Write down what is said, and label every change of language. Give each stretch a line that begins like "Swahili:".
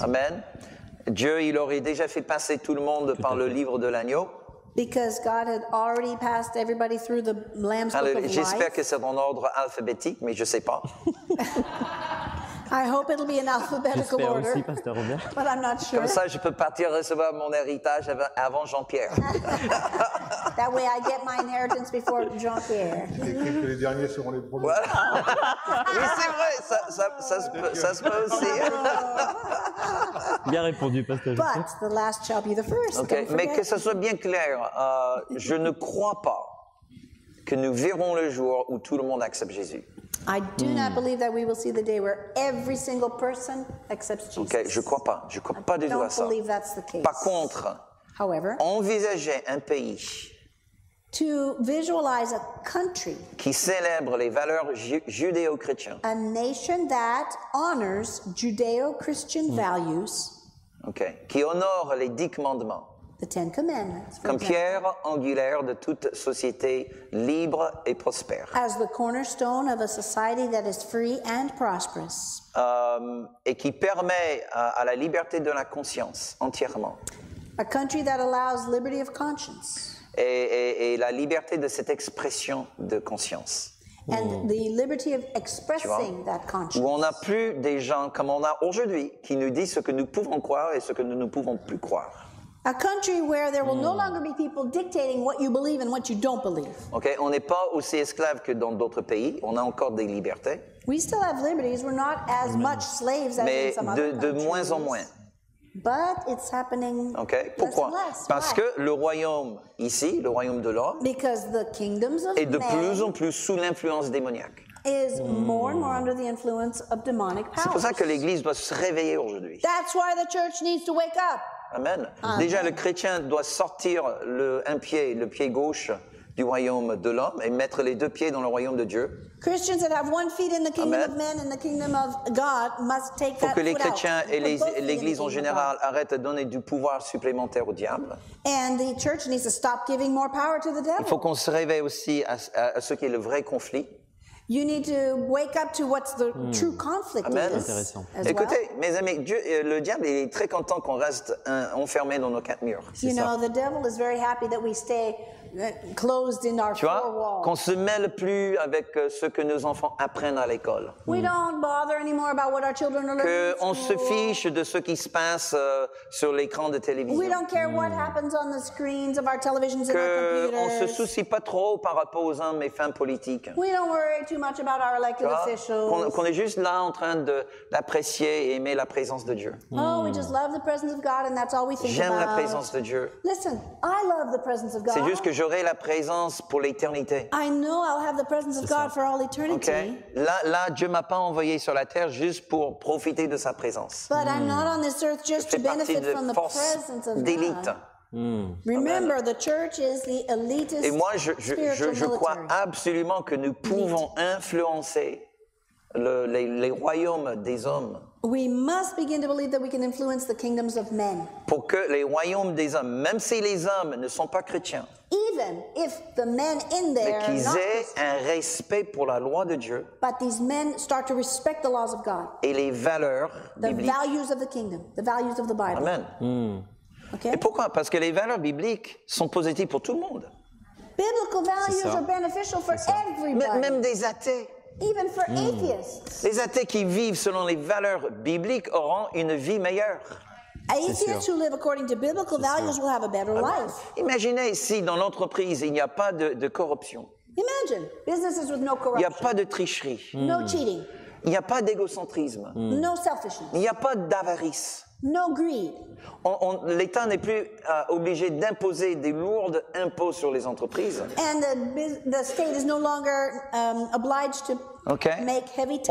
French: Amen. Dieu, il aurait déjà fait passer tout le monde par le livre de l'agneau.
English: Because God had already passed everybody through the Lamb's book of life.
French: J'espère que c'est en ordre alphabétique, mais je ne sais pas.
English: I hope it'll be in alphabetical
French: J'espère
English: order.
French: Aussi, Pasteur Robert.
English: But I'm not sure.
French: Comme ça, je peux partir recevoir mon héritage avant Jean-Pierre.
English: That way I get my inheritance before Jean-Pierre.
French: Les derniers seront les premiers. Oui, c'est vrai, ça se peut aussi. Bien répondu, pasteur.
English: But the last shall be the first. Okay.
French: Mais que ça soit bien clair, je ne crois pas que nous verrons le jour où tout le monde accepte Jésus.
English: I do not believe that we will see the day where every single person accepts Jesus.
French: Okay, je crois pas. Je crois pas du tout à ça.
English: I don't believe that's the case.
French: Par contre,
English: however,
French: envisager un pays
English: to visualize a country
French: qui célèbre les valeurs judéo-chrétiennes,
English: a nation that honors Judeo-Christian values,
French: okay, qui honore les dix commandements,
English: the Ten Commandments,
French: comme pierre angulaire de toute société libre et prospère.
English: As the cornerstone of a society that is free and prosperous.
French: Et qui permet à la liberté de la conscience entièrement.
English: A country that allows liberty of conscience.
French: Et la liberté de cette expression de conscience.
English: And the liberty of expressing that conscience.
French: Où on n'a plus des gens comme on a aujourd'hui qui nous disent ce que nous pouvons croire et ce que nous ne pouvons plus croire.
English: A country where there will no longer be people dictating what you believe and what you don't believe.
French: Okay, on n'est pas aussi esclave que dans d'autres pays. On a encore des libertés.
English: We still have liberties. We're not as much slaves as
French: mais
English: in some other countries.
French: Mais de moins en moins.
English: But it's happening.
French: Okay, pourquoi?
English: Less and less.
French: Parce que le royaume ici, le royaume de l'homme,
English: because the kingdoms of
French: est de plus en plus sous l'influence démoniaque.
English: Is more and more under the influence of demonic powers.
French: C'est pour ça que l'Église doit se réveiller aujourd'hui.
English: That's why the church needs to wake up. Amen.
French: Déjà, le chrétien doit sortir le pied gauche du royaume de l'homme et mettre les deux pieds dans le royaume de Dieu.
English: Christians that have one foot in the kingdom of men and the kingdom of God must take that foot out.
French: Pour que les chrétiens et l'Église en général arrêtent de donner du pouvoir supplémentaire au diable.
English: And the church needs to stop giving more power to the devil.
French: Il faut qu'on se réveille aussi à ce qui est le vrai conflit.
English: You need to wake up to what the true conflict Amen. Is.
French: Intéressant. Écoutez,
English: well.
French: Mes amis, Dieu, le diable il est très content qu'on reste enfermé dans nos quatre murs.
English: You know, the devil is very happy that we stay closed in our
French: tu vois,
English: four walls.
French: Qu'on se mêle plus avec ce que nos enfants apprennent à l'école.
English: We don't bother anymore about what our children are learning.
French: Qu'on se fiche de ce qui se passe sur l'écran de télévision.
English: We don't care what happens on the screens of our televisions
French: que
English: and our computers.
French: Qu'on se soucie pas trop par rapport aux hommes et femmes politiques.
English: We don't worry too much about our elected officials.
French: Qu'on est juste là en train d'apprécier et aimer la présence de Dieu.
English: Oh, we just love the presence of God and that's all we think
French: J'aime
English: about.
French: J'aime la présence de Dieu.
English: Listen, I love the presence of God.
French: C'est juste que j'aurai la présence pour l'éternité.
English: I know I'll have the presence of God for all eternity. Okay.
French: Là, Dieu m'a pas envoyé sur la terre juste pour profiter de sa présence.
English: But I'm not on this earth just to benefit from the presence of God.
French: D'élite.
English: Remember, the church is the elitist spiritual.
French: Et moi, je crois absolument que nous pouvons influencer les royaumes des hommes.
English: We must begin to believe that we can influence the kingdoms of men.
French: Pour que les royaumes des hommes, même si les hommes ne sont pas chrétiens,
English: even if the men in there
French: mais qu'ils aient un respect pour la loi de Dieu,
English: but these men start to respect the laws of God.
French: Et les valeurs
English: the
French: bibliques.
English: Values of the kingdom, the values of the Bible. Amen. Okay?
French: Et pourquoi? Parce que les valeurs bibliques sont positives pour tout le monde.
English: Biblical values are beneficial for everybody.
French: Même des athées.
English: Even for atheists.
French: Les athées qui vivent selon les valeurs bibliques auront une vie meilleure.
English: Atheists who live according to biblical values will have a better life.
French: Imaginez si dans l'entreprise il n'y a pas de corruption.
English: Imagine businesses with no corruption.
French: Il n'y a pas de tricherie.
English: No cheating.
French: Il n'y a pas d'égocentrisme.
English: No selfishness.
French: Il n'y a pas d'avarice.
English: No greed.
French: L'État n'est plus obligé d'imposer des lourdes impôts sur les entreprises.
English: And the state is no longer obliged to make heavy taxes.